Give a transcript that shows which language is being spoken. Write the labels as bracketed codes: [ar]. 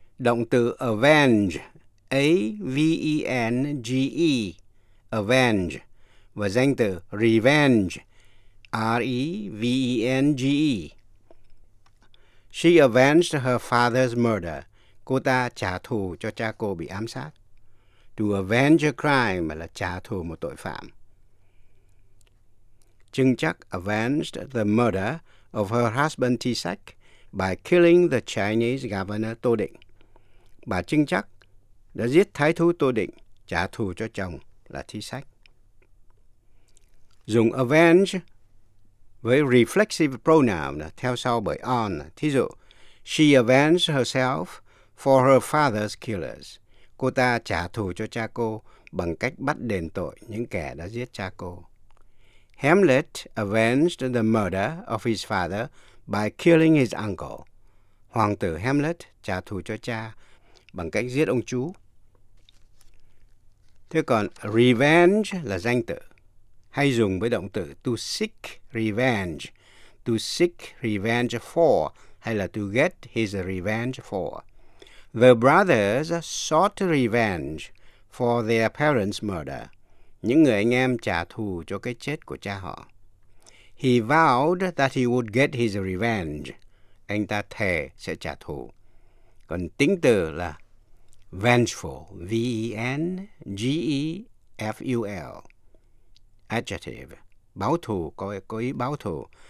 [vi] Động từ avenge, A-V-E-N-G-E, avenge, và danh từ revenge, R-E-V-E-N-G-E. [en] She avenged her father's murder. [vi] Cô ta trả thù cho cha cô bị ám sát. [en] To avenge a crime [vi] là trả thù một tội phạm. [en] Trưng chắc avenged the murder of her husband T-Sack by killing the Chinese governor Tô Định. [vi] Bà Trưng chắc đã giết thái thú Tô Định, trả thù cho chồng là T-Sack. Dùng avenge với reflexive pronoun theo sau bởi on. Thí dụ, [en] she avenged herself for her father's killers. [vi] Cô ta trả thù cho cha cô bằng cách bắt đền tội những kẻ đã giết cha cô. [en] Hamlet avenged the murder of his father by killing his uncle. [vi] Hoàng tử Hamlet trả thù cho cha bằng cách giết ông chú. Thế còn revenge là danh từ, hay dùng với động từ [en] to seek revenge. To seek revenge for, [vi] hay là [en] to get his revenge for. The brothers sought revenge for their parents' murder. [vi] Những người anh em trả thù cho cái chết của cha họ. [en] He vowed that he would get his revenge. [vi] Anh ta thề sẽ trả thù. Còn tính từ là vengeful, V-E-N-G-E-F-U-L, adjective, báo thù, có ý báo thù.